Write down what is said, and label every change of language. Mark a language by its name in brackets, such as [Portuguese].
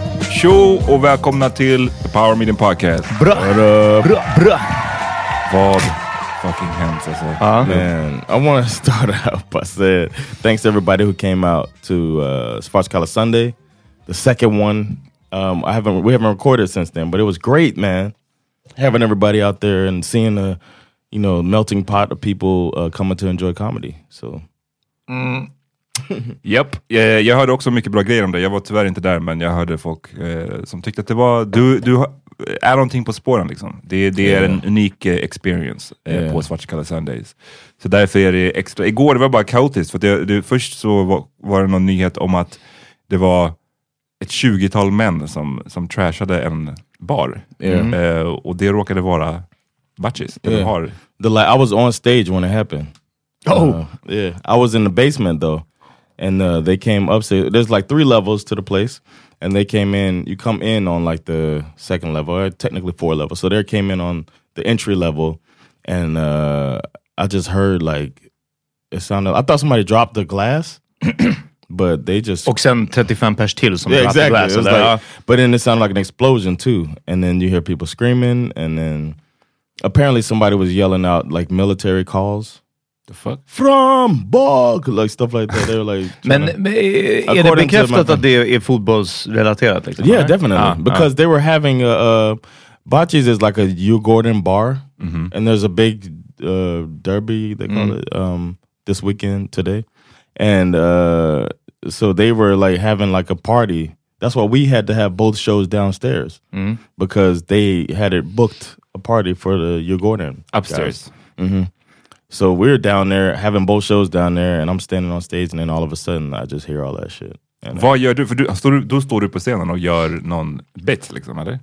[Swedish] Tjo och välkomna till The Power Meeting Podcast. Bra, bra, bra. Vad fucking hänt alltså. [English] Man, I want to start out by saying thanks to everybody who came out to Sparks Color Sunday. The second one, we haven't recorded since then, but it was great, man. Having everybody out there and seeing a, you know, melting pot of people coming to enjoy comedy. So. Mm. [Swedish] Japp, jag hörde också mycket bra grejer om det. Jag var tyvärr inte där, men jag hörde folk som tyckte att det var du är någonting på spåren liksom. Det är en unik experience på Svarts Kalla Sundays. Så därför är det extra. Igår det var bara kaotiskt, för först så var det någon nyhet om att det var ett 20-tal män som trashade en bar. Och det råkade vara Butchies. [English] I was on stage when it happened. I was in the basement though. And they came up, so there's like 3 levels to the place, and they came in, you come in on like the second level, or technically 4 levels, so they came in on the entry level, and I just heard like, it sounded, I thought somebody dropped the glass, but they just... [Swedish] Och sen 35 pers till som dropped [English] exactly. The glass. Like, but then it sounded like an explosion too, and then you hear people screaming, and then apparently somebody was yelling out like military calls. The fuck? From bug, like stuff like that. They're like, [Swedish] men är det bekräftat att det är fotbollsrelaterat? Liksom, [English] yeah, right? Definitely. Because they were having a Butchies is like a U Gordon bar, and there's a big derby they call it this weekend today, and so they were like having like a party. That's why we had to have both shows downstairs because they had it booked a party for the U Gordon upstairs. So we're down there having both shows down there, and I'm standing on stage, and then all of a sudden I just hear all that shit. [Swedish] Vad gör du? För du står du på scenen och gör någon bit, liksom, eller?